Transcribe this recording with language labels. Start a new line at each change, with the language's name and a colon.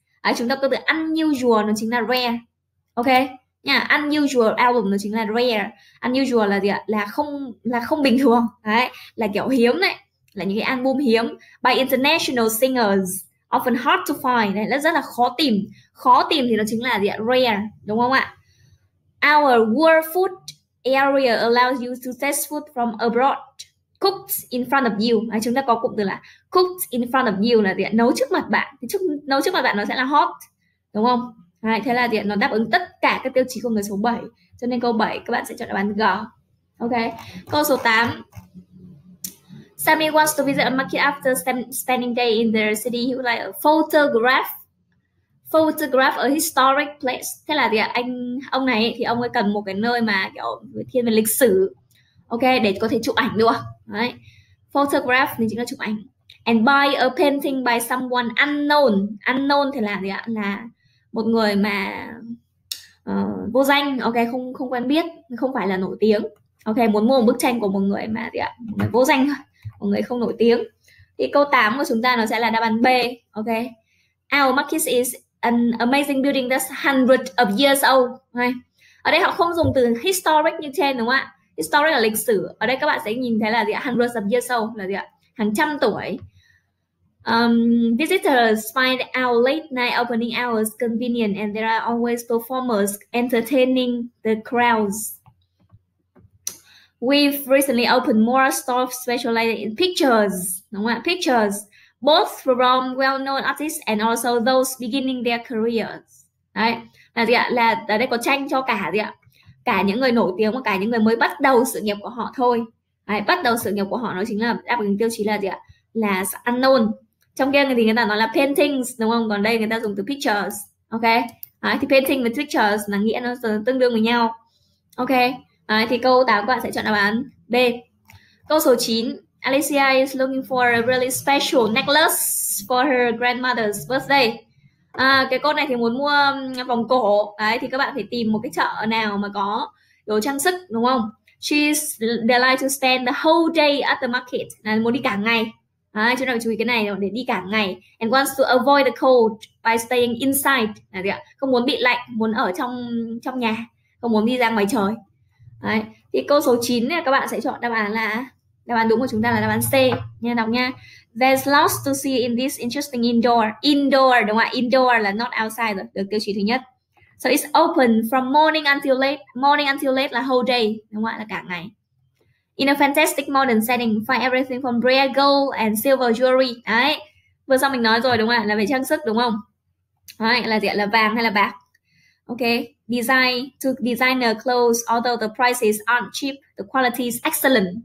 Vietnamese: Đấy, chúng ta có từ unusual nó chính là rare. Ok. Yeah, unusual album nó chính là rare. Unusual là gì ạ? Là không bình thường. Đấy, là kiểu hiếm đấy. Là những cái album hiếm
English: by international singers, often hard to find.
Vietnamese: Đấy, rất là khó tìm. Khó tìm thì nó chính là gì ạ? Rare, đúng không ạ?
English: Our world food area allows you to taste food from abroad cooked in front of you.
Vietnamese: Đấy, chúng ta có cụm từ là
English: cooked in front of you
Vietnamese: là gì ạ? Nấu trước mặt bạn. Nấu trước mặt bạn nó sẽ là hot, đúng không? Đấy, thế là gì ạ? Nó đáp ứng tất cả các tiêu chí của người số 7. Cho nên câu 7 các bạn sẽ chọn đáp án G.
English: Ok.
Vietnamese: Câu số 8.
English: Sammy wants to visit a market after spending day in the city. He would like a photograph. Photograph a historic place.
Vietnamese: Thế là gì ạ? Ông này thì ông ấy cần một cái nơi mà kiểu thiên về lịch sử. Ok, để có thể chụp ảnh được. Đấy. Photograph thì chính là chụp ảnh.
English: And buy a painting by someone unknown. Unknown
Vietnamese: thì là gì ạ? Là một người mà vô danh, ok, không quen biết, không phải là nổi tiếng. Ok, muốn mua một bức tranh của một người mà gì ạ? Một người vô danh thôi, một người không nổi tiếng. Thì câu 8 của chúng ta nó sẽ là đáp án B, ok.
English: Our market is an amazing building that's hundreds of years old. Okay.
Vietnamese: Ở đây họ không dùng từ historic như trên đúng không ạ? Historic là lịch sử. Ở đây các bạn sẽ nhìn thấy là gì ạ?
English: Hundreds of years old
Vietnamese: là gì ạ? Hàng trăm tuổi.
English: Visitors find our late night opening hours convenient and there are always performers entertaining the crowds. We've recently opened more stores specializing in pictures.
Vietnamese: Đúng không ạ?
English: Pictures. Both from well-known artists and also those beginning their careers.
Vietnamese: Đấy. Là gì ạ? Là ở đây có tranh cho cả gì ạ? Cả những người nổi tiếng và cả những người mới bắt đầu sự nghiệp của họ thôi. Đấy, bắt đầu sự nghiệp của họ nó chính là đáp ứng tiêu chí là gì ạ? Là unknown. Trong kia thì người ta nói là paintings, đúng không? Còn đây người ta dùng từ pictures. Ok. Đấy, thì painting và pictures là nghĩa nó tương đương với nhau. Ok. Đấy, thì câu 8 các bạn sẽ chọn đáp án B. Câu số 9.
English: Alicia is looking for a really special necklace for her grandmother's birthday.
Vietnamese: À, cái cô này thì muốn mua vòng cổ. Đấy, thì các bạn phải tìm một cái chợ nào mà có đồ trang sức, đúng không?
English: She's delighted to spend the whole day at the market.
Vietnamese: Là muốn đi cả ngày. Đấy, chúng ta phải chú ý cái này để đi cả ngày.
English: And wants to avoid the cold by staying inside.
Vietnamese: Là gì ạ? Không muốn bị lạnh, muốn ở trong nhà, không muốn đi ra ngoài trời. Đấy. Thì câu số 9 này, các bạn sẽ chọn đáp án là đáp án đúng của chúng ta là đáp án C. Nha, đọc nha.
English: There's lots to see in this interesting indoor.
Vietnamese: Indoor, đúng không ạ?
English: Indoor là not outside rồi,
Vietnamese: được tiêu chí thứ nhất.
English: So it's open from morning until late. Morning until late là whole day, đúng không ạ?
Vietnamese: Là cả ngày.
English: In a fantastic modern setting, find everything from rare gold and silver jewelry.
Vietnamese: Đấy, vừa xong mình nói rồi đúng không ạ? Là về trang sức đúng không? Đấy, là gì ạ? Là vàng hay là bạc? Ok.
English: Design to designer clothes, although the prices aren't cheap, the quality is excellent.